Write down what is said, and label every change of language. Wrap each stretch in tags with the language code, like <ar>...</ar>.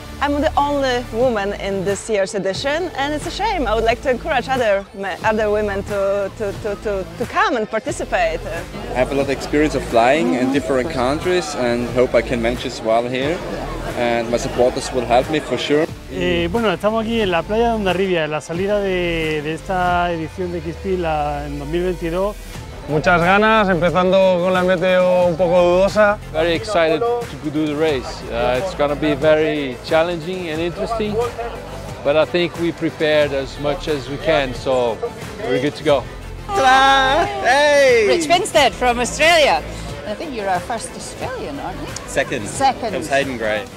<en>I'm the only woman in this year's edition and it's a shame. I would like to encourage other women to come and participate. I have a lot of experience of flying in different countries and hope I can manage as well here. And my supporters will help me for sure.</en> <es>Bueno, estamos aquí en la playa de Ondarribia, en la salida de esta edición de X-Pyr en 2022. Muchas ganas, empezando con la meteo un poco dudosa.</es> <en>Very excited to do the race. It's going to be very challenging and interesting, but I think we prepared as much as we can, so we're good to go. Hey! Rich Binstead from Australia. I think you're our first Australian, aren't you? Second. It's Hayden Gray.</en>